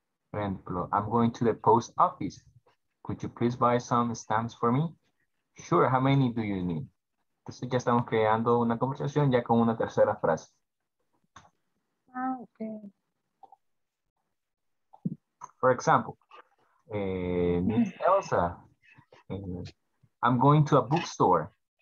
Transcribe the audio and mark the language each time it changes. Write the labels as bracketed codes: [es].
[es] Por ejemplo, [en] I'm going to the post office. Could you please buy some stamps for me? Sure, how many do you need? [es] Entonces ya estamos creando una conversación ya con una tercera frase. Ah, ok. [en] For example, Miss Elsa, I'm going to a bookstore.